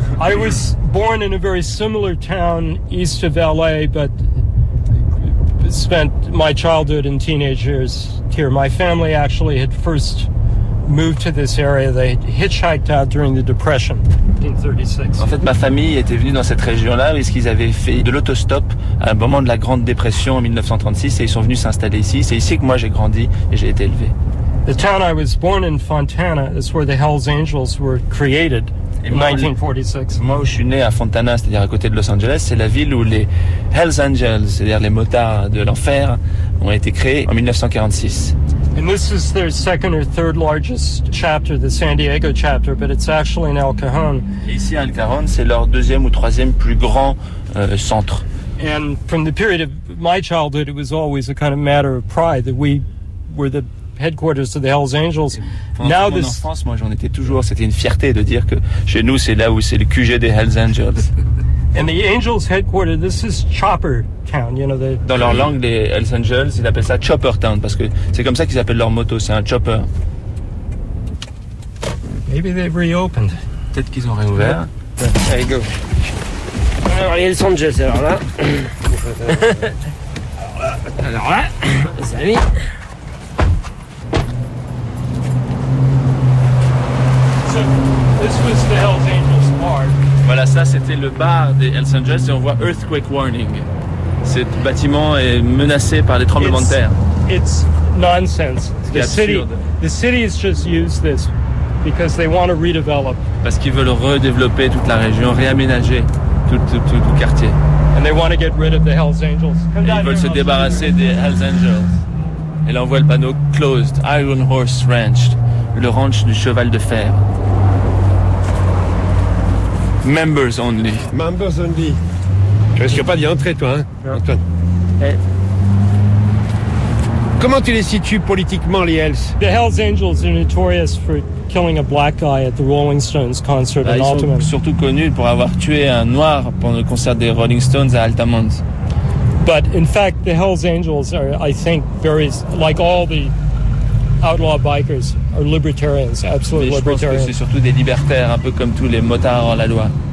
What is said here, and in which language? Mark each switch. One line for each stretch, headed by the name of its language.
English: I was born in a very similar town east of LA, but spent my childhood and teenage years here. My family actually had first moved to this area. They hitchhiked out during the Depression in 1936.
French: En fait, ma famille était venue dans cette région-là puisqu'ils avaient fait de l'autostop à un moment de la Grande Dépression en 1936 et ils sont venus s'installer ici. C'est ici que moi j'ai grandi et j'ai été élevé.
English: The town I was born in, Fontana, is where the Hell's Angels were created in 1946.
French: Moi, où je suis né à Fontana, c'est-à-dire à côté de Los Angeles, c'est la ville où les Hell's Angels, c'est-à-dire les motards de l'enfer, ont été créés en 1946.
English: And this is their second or third largest chapter, the San Diego chapter, but it's actually in El Cajon.
French: Et ici, El Cajon, c'est leur deuxième ou troisième plus grand centre.
English: And from the period of my childhood, it was always a kind of matter of pride that we were the headquarters of the Hell's Angels. Now this.
French: En France, moi, j'en étais toujours. C'était une fierté de dire que chez nous, c'est là où c'est le QG des Hell's Angels.
English: And the Angels' headquarters. This is Chopper Town. You know the.
French: Dans leur langue, les Hell's Angels, ils appellent ça Chopper Town parce que c'est comme ça qu'ils appellent leur moto. C'est un chopper.
English: Maybe they've reopened.
French: Peut-être qu'ils ont réouvert.
English: There you go.
French: Alors les Hell's Angels, alors là. Salut.
English: This was the Hell's Angels bar.
French: Voilà, ça c'était le bar des Hell's Angels et on voit Earthquake Warning. Ce bâtiment est menacé par les tremblements de terre.
English: It's nonsense. The city has just used this because they want to redevelop.
French: Parce qu'ils veulent redévelopper toute la région, réaménager tout le quartier.
English: And they want to get rid of the Hell's Angels.
French: Et ils veulent se débarrasser des Hell's Angels. Et là on voit le panneau Closed, Iron Horse Ranch. Le ranch du cheval de fer.
English: Members only. Members only.
French: Tu risques pas d'y entrer, toi, hein, Antoine. Hey. Comment tu les situes politiquement, les Hells?
English: The Hells Angels are notorious for killing a black guy at the Rolling Stones concert in Altamont.
French: Ils sont surtout connus pour avoir tué un noir pendant le concert des Rolling Stones à Altamont.
English: But in fact, the Hells Angels are, I think, very like all the outlaw bikers are libertarians, absolute libertarians.
French: Je pense que c'est surtout des libertaires, un peu comme tous les motards hors la loi.